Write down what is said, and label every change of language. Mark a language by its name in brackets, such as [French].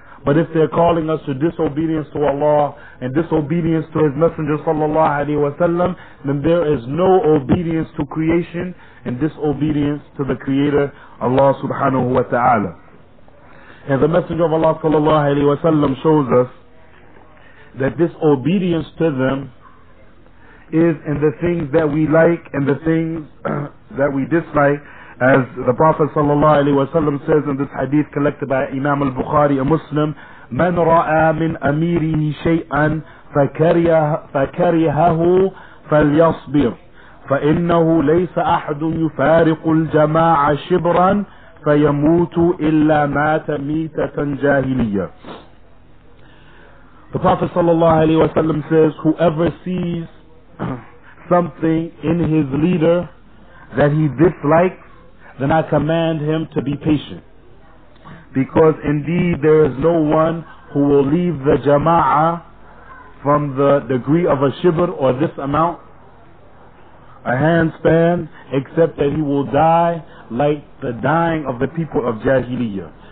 [English] But if they're calling us to disobedience to Allah and disobedience to His Messenger sallallahu alayhi wa sallam, then there is no obedience to creation and disobedience to the Creator, Allah subhanahu wa ta'ala. And the Messenger of Allah sallallahu alayhi wa sallam shows us that this obedience to them is in the things that we like and the things that we dislike. As the Prophet sallallahu alayhi wa sallam says in this hadith collected by Imam al-Bukhari, a Muslim, [Arabic] من رأى من أميره شيئا فكرهه فليصبر فإنه ليس أحد يفارق الجماعة شبرا فيموت إلا مات ميتة جاهلية. [English] The Prophet sallallahu alayhi wa sallam says, whoever sees something in his leader that he dislikes, then I command him to be patient, because indeed there is no one who will leave the jama'ah from the degree of a shibr, or this amount, a handspan, except that he will die like the dying of the people of Jahiliyyah.